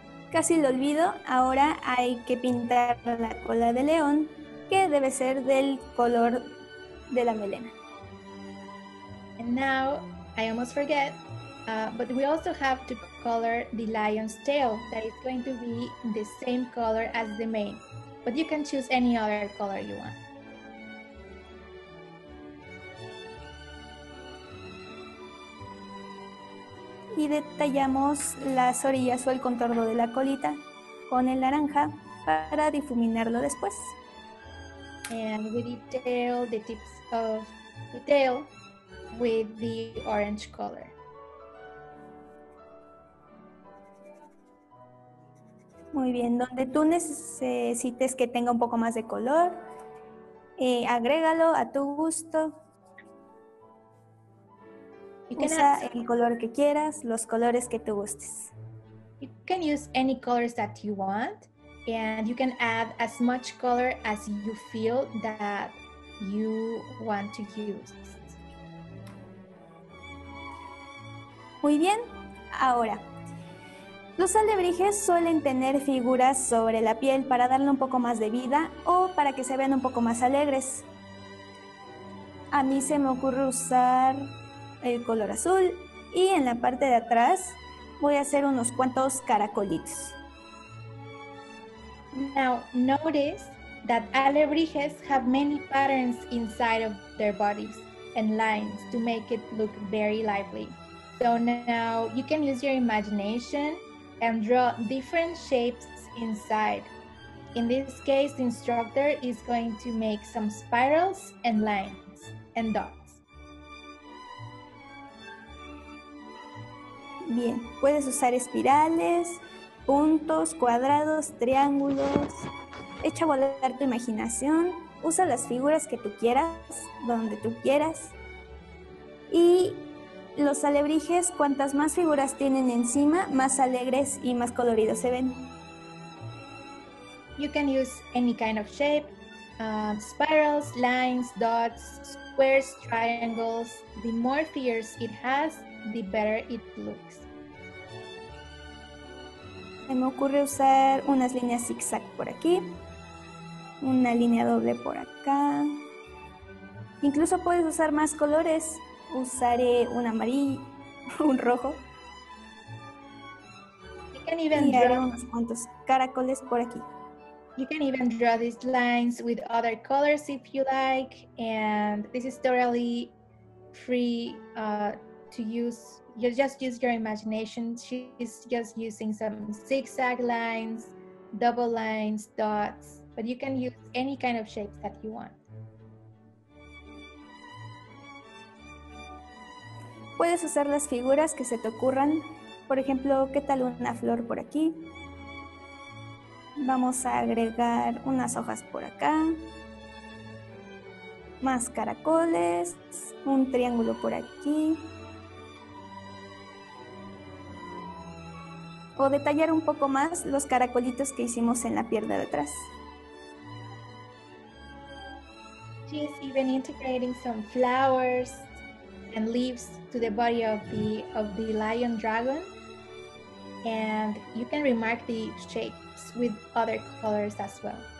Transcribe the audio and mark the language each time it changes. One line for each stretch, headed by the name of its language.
Spanish: Casi lo olvido, ahora hay que pintar la cola de león, que debe ser del color de la melena.
English: And now, I almost forget, but we also have to color the lion's tail, that is going to be the same color as the mane. But you can choose any other color you want.
Spanish: Y detallamos las orillas o el contorno de la colita con el naranja para difuminarlo después.
English: And we detail the tips of the tail with the orange color.
Spanish: Muy bien, donde tú necesites que tenga un poco más de color, agrégalo a tu gusto. Usa el color que quieras, los colores que tú gustes.
English: You can use any colors that you want, and you can add as much color as you feel that you want to use.
Spanish: Muy bien, ahora. Los alebrijes suelen tener figuras sobre la piel para darle un poco más de vida o para que se vean un poco más alegres. A mí se me ocurre usar el color azul y en la parte de atrás voy a hacer unos cuantos caracolitos.
English: Now notice that alebrijes have many patterns inside of their bodies and lines to make it look very lively. So now you can use your imagination and draw different shapes inside. In this case, the instructor is going to make some spirals and lines and dots.
Spanish: Bien, puedes usar espirales, puntos, cuadrados, triángulos. Echa a volar tu imaginación. Usa las figuras que tú quieras, donde tú quieras. Y los alebrijes, cuantas más figuras tienen encima, más alegres y más coloridos se ven.
English: You can use any kind of shape, spirals, lines, dots, squares, triangles. The more figures it has, the better it looks.
Spanish: Se me ocurre usar unas líneas zigzag por aquí, una línea doble por acá. Incluso puedes usar más colores. Usaré un amarillo, un rojo.
English: You can even draw
Spanish: unos cuantos caracoles por aquí.
English: You can even draw these lines with other colors if you like, and this is totally free to use. You just use your imagination. She's just using some zigzag lines, double lines, dots, but you can use any kind of shapes that you want.
Spanish: Puedes usar las figuras que se te ocurran. Por ejemplo, ¿qué tal una flor por aquí? Vamos a agregar unas hojas por acá. Más caracoles. Un triángulo por aquí. O detallar un poco más los caracolitos que hicimos en la pierna de atrás.
English: She's even integrating some flowers and leaves to the body of the lion dragon, and you can remark the shapes with other colors as well.